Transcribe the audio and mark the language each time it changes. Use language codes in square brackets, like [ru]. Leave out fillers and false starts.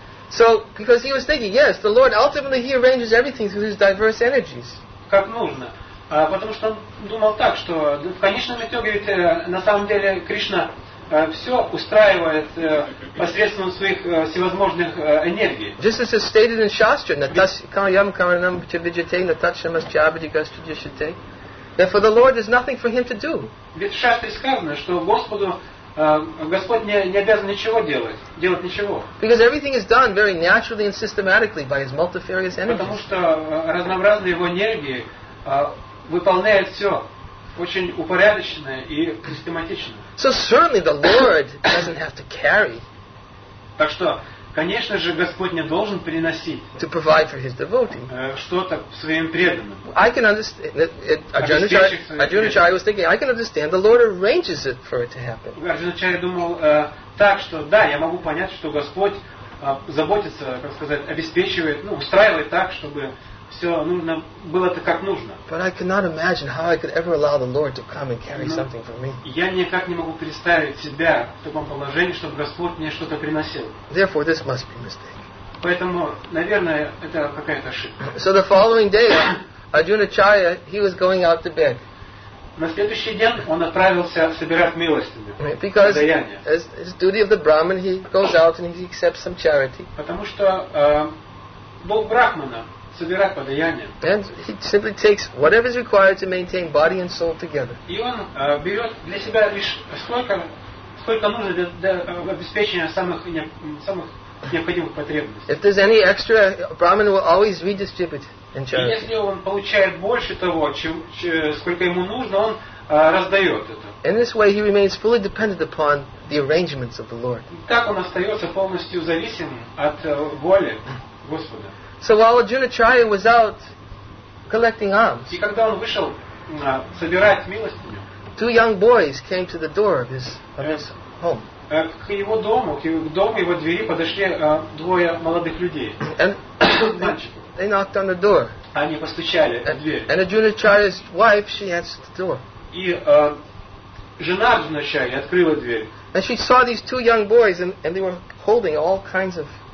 [en] So, because he was thinking, yes, the Lord ultimately he arranges everything through his diverse energies. [ru] Как нужно. Потому что он думал так, что в конечном итоге ведь, на самом деле Кришна все устраивает посредством своих всевозможных энергий. [en] Just as it's stated in Shastra, [sa] Natasikayam Karanam Chavijate, Natashamas Chabadigas Chajishate. [en] Therefore, the Lord is nothing for him to do. [ru] Ведь в Шастре сказано, что Господу Господь не обязан ничего делать ничего. [en] Because everything is done very naturally and systematically by his multifarious energies. [ru] Потому что разнообразные его энергии выполняет все очень упорядоченно и систематично. [en] So certainly the Lord doesn't have to carry. [ru] Так что, конечно же, Господь не должен приносить. [en] To provide for his devotee. [ru] Что-то своим преданным. [en] I can understand. Arjunacharya was thinking. I can understand. The Lord arranges it for it to happen. [ru] Arjunacharya думал так, что да, я могу понять, что Господь заботится, как сказать, обеспечивает, ну, устраивает так, чтобы все нужно было так, как нужно. [en] But I cannot imagine how I could ever allow the Lord to come and carry something for me. [ru] Я никак не могу представить себя в таком положении, чтобы Господь мне что-то приносил. [en] Therefore, this must be a mistake. [ru] Поэтому, наверное, это какая-то ошибка. [en] So the following day, Arjunacharya, he was going out to beg. [ru] На следующий день он отправился собирать милостыню. [en] Because [ru] подаяние. [en] As his duty of the Brahmin, he goes out and he accepts some charity. [ru] Потому что был брахмана. Собирать подаяние. [en] And he simply takes whatever is required to maintain body and soul together. [ru] И он берет для себя лишь сколько нужно для обеспечения самых необходимых потребностей. [en] If there's any extra, Brahmin will always redistribute in charity. [ru] И если он получает больше того, сколько ему нужно, он раздает это. [en] In this way, he remains fully dependent upon the arrangements of the Lord. [ru] Так он остается полностью зависим от воли Господа. [en] So while Arjunacharya was out collecting alms, [ru] и когда он вышел собирать милостыню, [en] two young boys came to the door of his home. [ru] К его дому, к дому его двери подошли двое молодых людей. [en] And they knocked on the door. [ru] Они постучали в дверь. [en] And Arjunacharya's wife, she answered the door. [ru] И жена Arjunacharya открыла дверь. [en] And she saw these two young boys, and they were holding all kinds of